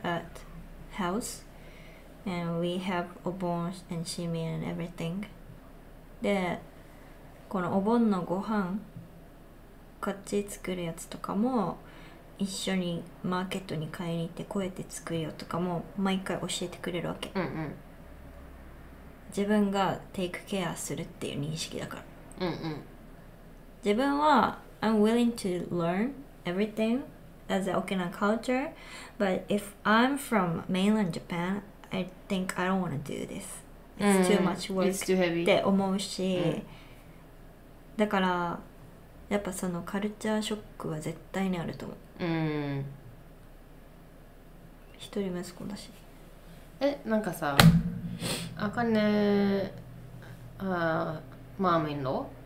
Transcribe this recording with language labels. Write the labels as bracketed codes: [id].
[en] at house and we have obon and shimin and everything [ja] で、このお盆のご飯、こっち作るやつとかも一緒にマーケットに買いに行ってこうやって作るよとかも毎回教えてくれるわけ、うんうん、自分がテイクケアするっていう認識だから、うんうん、自分は [en] I'm willing to learn everything as an Okinawan culture but if I'm from mainland Japan I think I don't want to do thisIt's too much work、 It's too heavy. [ja] って思うし、うん、だからやっぱそのカルチャーショックは絶対にあると思う。うん。一人息子だし。え、なんかさ、あかね、マーミンの、